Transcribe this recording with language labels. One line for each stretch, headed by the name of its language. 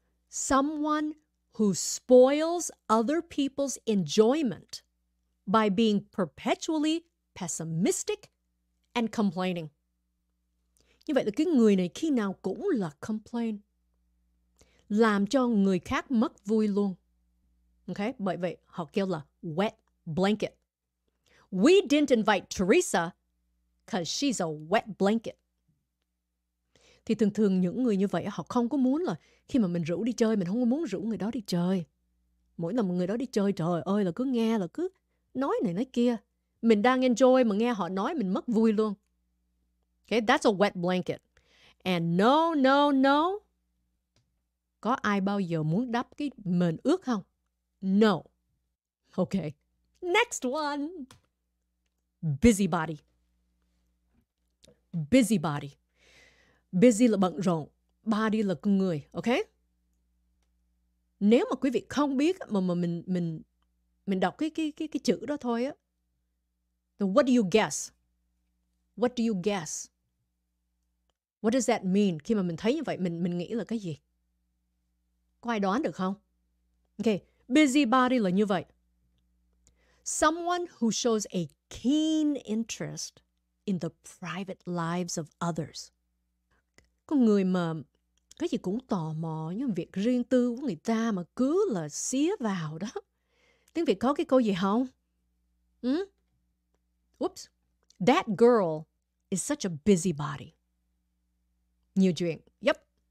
English: Someone who spoils other people's enjoyment by being perpetually pessimistic and complaining.
Vietnamese: Như vậy là cái người này khi nào cũng là complain. Làm cho người khác mất vui luôn. Okay? Bởi vậy họ kêu là wet blanket.
English: We didn't invite Teresa because she's a wet blanket.
Vietnamese: Thì thường thường những người như vậy họ không có muốn là khi mà mình rủ đi chơi, mình không có muốn rủ người đó đi chơi. Mỗi lần người đó đi chơi, trời ơi là cứ nghe là cứ nói này nói kia. Mình đang enjoy mà nghe họ nói mình mất vui luôn.
English: Okay, that's a wet blanket. And no, no, no.
Vietnamese: Có ai bao giờ muốn đắp cái mền ướt không?
English: No. Okay. Next one. Busybody. Busybody.
Vietnamese: Busy là bận rộn. Body là con người. Okay? Nếu mà quý vị không biết mà mình đọc cái chữ đó thôi á.
English: So what do you guess? What do you guess? What does that mean?
Vietnamese: Khi mà mình thấy như vậy, mình nghĩ là cái gì? Có ai đoán được không? Okay, busybody là như vậy.
English: Someone who shows a keen interest in the private lives of others.
Vietnamese: Con người mà cái gì cũng tò mò những việc riêng tư của người ta mà cứ là xía vào đó. Tiếng Việt có cái câu gì không?
English: Oops. That girl is such a busybody. New drink. Yep.